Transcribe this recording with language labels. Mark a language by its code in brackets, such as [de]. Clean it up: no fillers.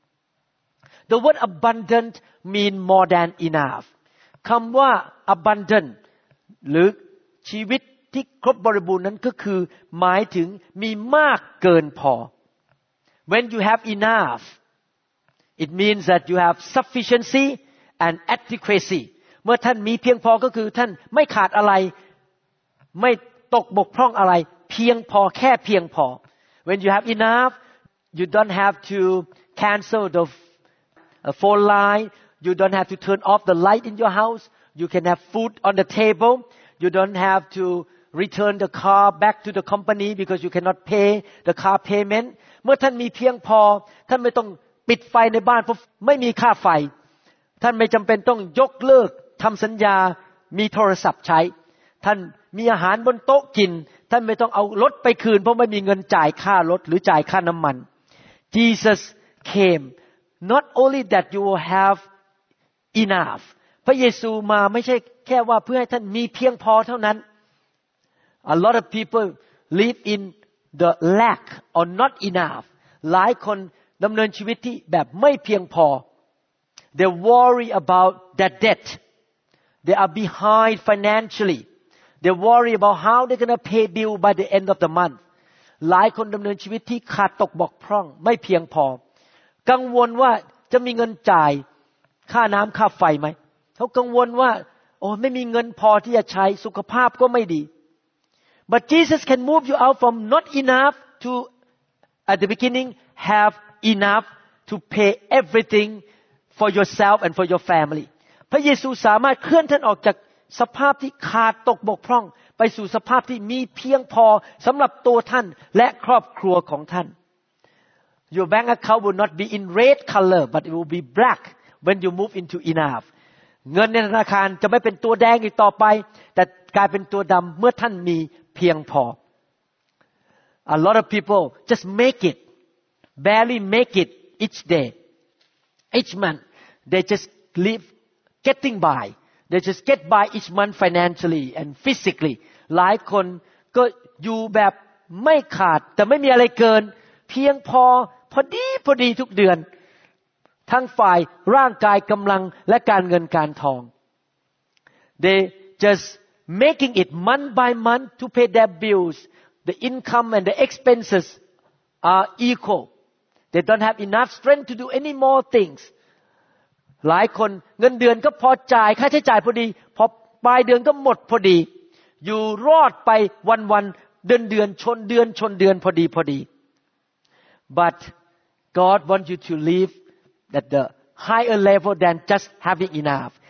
[en] ๆ The word abundant mean more than enough [th] คำว่า abundant หรือชีวิตที่ครบบริบูรณ์นั้นก็คือหมายถึงมีมากเกินพอ [en] When you have enough It means that you have sufficiency and adequacy. [th] เมื่อท่านมีเพียงพอก็คือท่านไม่ขาดอะไรไม่ตกบกพร่องอะไรเพียงพอแค่เพียงพอ [en] When you have enough, you don't have to cancel the phone line. You don't have to turn off the light in your house. You can have food on the table. You don't have to return the car back to the company because you cannot pay the car payment. [th] เมื่อท่านมีเพียงพอท่านไม่ต้องปิดไฟในบ้านเพราะไม่มีค่าไฟท่านไม่จำเป็นต้องยกเลิกทำสัญญามีโทรศัพท์ใช้ท่านมีอาหารบนโต๊ะกินท่านไม่ต้องเอารถไปคืนเพราะไม่มีเงินจ่ายค่ารถหรือจ่ายค่าน้ำมัน [en] Jesus came not only that you will have enough [th] พระเยซูมาไม่ใช่แค่ว่าเพื่อให้ท่านมีเพียงพอเท่านั้น [en] A lot of people live in the lack or not enough [th] หลายคนดำเนินชีวิตที่แบบไม่เพียงพอ [en] They worry about their debt. They are behind financially. They worry about how they're going to pay bill by the end of the month. [th] หลายคนดำเนินชีวิตที่ขาดตกบกพร่องไม่เพียงพอกังวลว่าจะมีเงินจ่ายค่าน้ำค่าไฟไหมเขากังวลว่าโอ้ไม่มีเงินพอที่จะใช้สุขภาพก็ไม่ดี [en] But Jesus can move you out from not enough to at the beginning have enough to pay everythingfor yourself and for your family [th] พระเยซูสามารถเคลื่อนท่านออกจากสภาพที่ขาดตกบกพร่องไปสู่สภาพที่มีเพียงพอสำหรับตัวท่านและครอบครัวของท่าน [en] Your bank account will not be in red color but it will be black when you move into enough [th] เงินในธนาคารจะไม่เป็นตัวแดงอีกต่อไปแต่กลายเป็นตัวดำเมื่อท่านมีเพียงพอ [en] A lot of people just make it barely make it each dayEach month, they just live getting by. They just get by each month financially and physically. [th] หลายคนก็อยู่แบบไม่ขาดแต่ไม่มีอะไรเกินเพียงพอพอดีพอดีทุกเดือนทั้งฝ่ายร่างกายกำลังและการเงินการทอง [en] They just making it month by month to pay their bills. The income and the expenses are equal. They don't have enough strength to do any more things. [th] หลายคนเงินเดือนก็พอจ่ายค่าใช้จ่ายพอดีพอปลายเดือนก็หมดพอดีอยู่รอดไปวันวันเดือนเดือนชนเดือนชนเดือนพอดีพอดี [en] But God wants you to live at the higher level than just having enough.